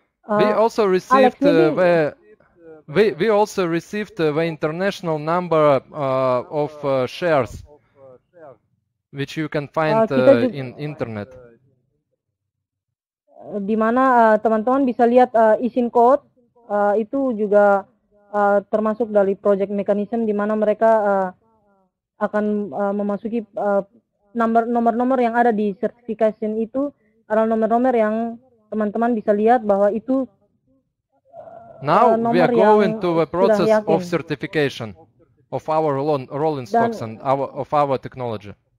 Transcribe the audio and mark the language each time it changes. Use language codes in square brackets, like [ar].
[en] We also received the international number of shares, which you can find in internet. [id] Di mana teman-teman bisa lihat isin code, itu juga termasuk dari project mechanism, di mana mereka akan memasuki nomor-nomor yang ada di certification itu, adalah nomor-nomor yang teman-teman bisa lihat bahwa itu [en] now we are going to a process of certification of our rolling stocks and of our technology.